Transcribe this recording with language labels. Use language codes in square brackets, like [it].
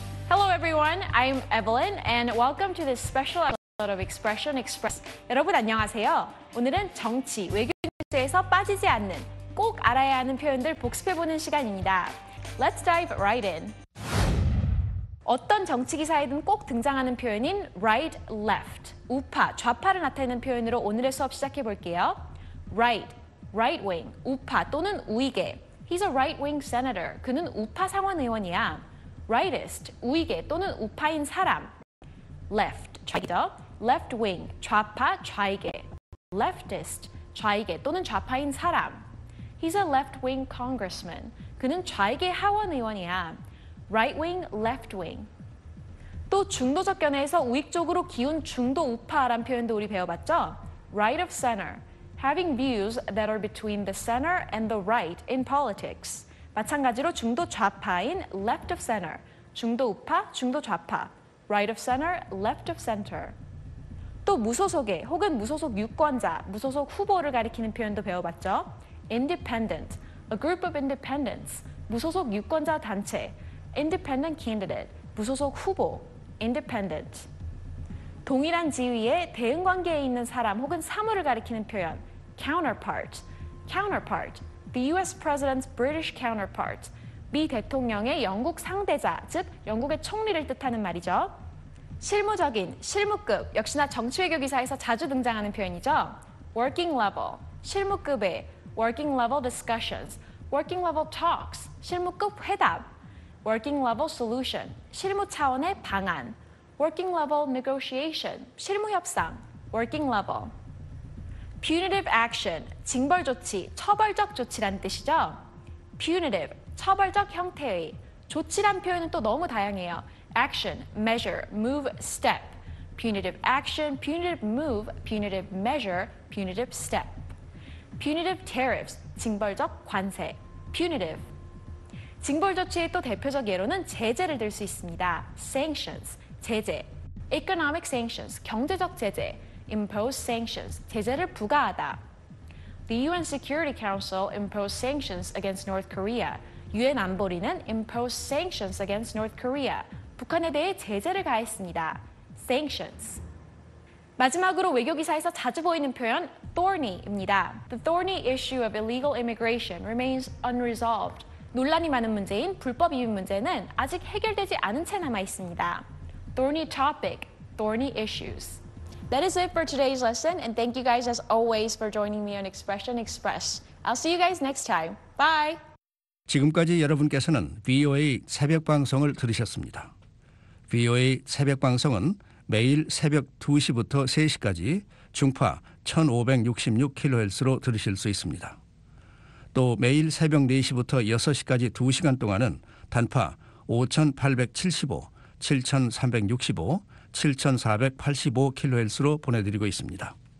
[en] Hello everyone, I'm Evelyn and welcome to this special episode of Expression Express. [ko] 여러분 안녕하세요. 오늘은 정치, 외교 뉴스에서 빠지지 않는 꼭 알아야 하는 표현들 복습해보는 시간입니다. [en] Let's dive right in. [ko] 어떤 정치 기사에든 꼭 등장하는 표현인 right, left, 우파, 좌파를 나타내는 표현으로 오늘의 수업 시작해 볼게요. [en] Right, right wing, [ko] 우파 또는 우익에. [en] He's a right wing senator. [ko] 그는 우파 상원 의원이야. Rightist, 우익에 또는 우파인 사람. Left, 좌익이죠. left wing, 좌파, 좌익의, leftist, 좌익의 또는 좌파인 사람. [en] He's a left wing congressman. [ko] 그는 좌익의 하원 의원이야. [en] Right wing, left wing. [ko] 또 중도적 견해에서 우익 쪽으로 기운 중도 우파란 표현도 우리 배워봤죠? [en] Right of center, having views that are between the center and the right in politics. [ko] 마찬가지로 중도 좌파인 left of center, 중도 우파, 중도 좌파, [en] right of center, left of center. [ko] 또 무소속의 혹은 무소속 유권자, 무소속 후보를 가리키는 표현도 배워봤죠? [en] Independent, a group of independents, [ko] 무소속 유권자 단체, [en] independent candidate, [ko] 무소속 후보, [en] independent. [ko] 동일한 지위에 대응 관계에 있는 사람 혹은 사물을 가리키는 표현, [en] counterpart, counterpart. The U.S. President's British counterpart, [ko] 미 대통령의 영국 상대자, 즉 영국의 총리를 뜻하는 말이죠. 실무적인, 실무급, 역시나 정치 외교 기사에서 자주 등장하는 표현이죠. [en] Working level, 실무급의, working level discussions, working level talks, [ko] 실무급 회담, [en] working level solution, [ko] 실무 차원의 방안, [en] working level negotiation, [ko] 실무 협상, [en] working level. Punitive action, [ko] 징벌 조치, 처벌적 조치란 뜻이죠. Punitive, 처벌적 형태의. 조치란 표현은 또 너무 다양해요. [en] Action, measure, move, step. Punitive action, punitive move, punitive measure, punitive step. Punitive tariffs, [ko] 징벌적 관세. [en] Punitive. [ko] 징벌 조치의 또 대표적 예로는 제재를 들 수 있습니다. [en] Sanctions, 제재. Economic sanctions, [ko] 경제적 제재. [en] Impose sanctions, [ko] 제재를 부과하다. [en] The UN Security Council imposed sanctions against North Korea. [ko] UN 안보리는 [en] imposed sanctions against North Korea. [ko] 북한에 대해 제재를 가했습니다. [en] Sanctions. [ko] 마지막으로 외교기사에서 자주 보이는 표현, thorny입니다. [en] The thorny issue of illegal immigration remains unresolved. [ko] 논란이 많은 문제인 불법 이민 문제는 아직 해결되지 않은 채 남아있습니다. [en] Thorny topic, thorny issues. That is it for today's lesson, and thank you guys as always for joining me on Expression Express. I'll see you guys next time. Bye! [ko] 지금까지 여러분께서는 VOA 새벽 방송을 들으셨습니다. VOA 새벽 방송은 매일 새벽 2시부터 3시까지 중파 1566kHz로 들으실 수 있습니다. 또 매일 새벽 4시부터 6시까지 2시간 동안은 단파 5875, 7365, 7485kHz로 보내드리고 있습니다.